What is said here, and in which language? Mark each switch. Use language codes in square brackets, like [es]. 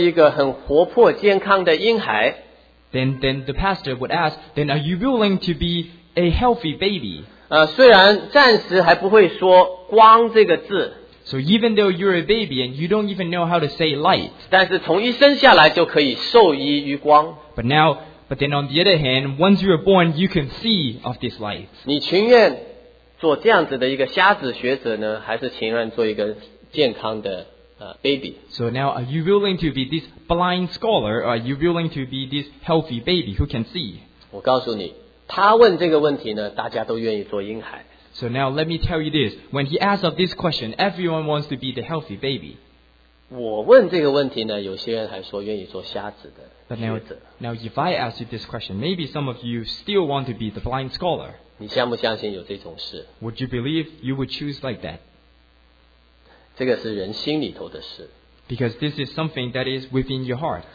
[zh] 然后那个牧师就问，那你是不是情愿做一个很活泼健康的婴孩？ [en] Then the pastor would ask, then are you willing to be a healthy baby? [zh] 虽然暂时还不会说光这个字。 [en] So even though you're a baby and you don't even know how to say light, [zh] 但是从一生下来就可以受益于光。 [en] But then on the other hand, once you're born, you can see of this light. [zh] 你情愿做这样子的一个瞎子学者呢, 还是情愿做一个健康的, baby? [en] So now, are you willing to be this blind scholar, or are you willing to be this healthy baby who can see? [zh] 我告诉你, 他问这个问题呢, 大家都愿意做婴孩。 [en] So now let me tell you this. When he asks of this question, everyone wants to be the healthy baby. [zh] 我问这个问题呢, 有些人还说愿意做瞎子的, [en] but now if I ask you this question, maybe some of you still want to be the blind scholar. [zh] 你相不相信有这种事? [en] Would you believe you would choose like that? [zh] 这个是人心里头的事。 [en] Because this is something that is within your heart.